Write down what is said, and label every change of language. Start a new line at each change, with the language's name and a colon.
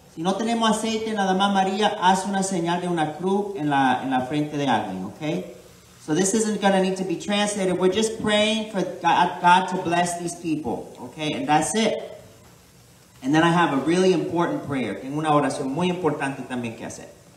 Spanish: Si no tenemos aceite, nada más, María, haz una señal de una cruz en la frente de alguien.
English: Ok. So this isn't going to need to be translated. We're just praying for God to bless these people. Ok. And that's it. And And then I have a really important prayer.
Spanish: Tengo una oración muy importante también que hacer.